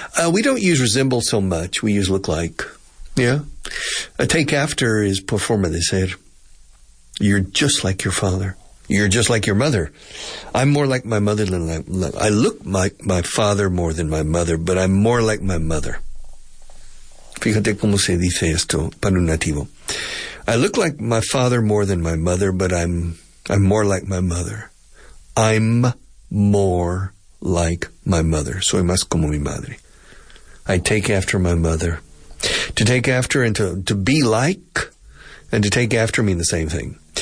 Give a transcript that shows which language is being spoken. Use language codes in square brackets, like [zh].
[en] We don't use resemble so much, we use look like. Yeah? A take after is por forma de ser. You're just like your father. You're just like your mother. I'm more like my mother than I look like my father more than my mother, but I'm more like my mother. [es] Fíjate cómo se dice esto para un nativo. [en] I look like my father more than my mother, but I'm more like my mother. I'm more like my mother. [es] Soy más como mi madre. I take after my mother. [en] To take after and to be like and to take after mean the same thing.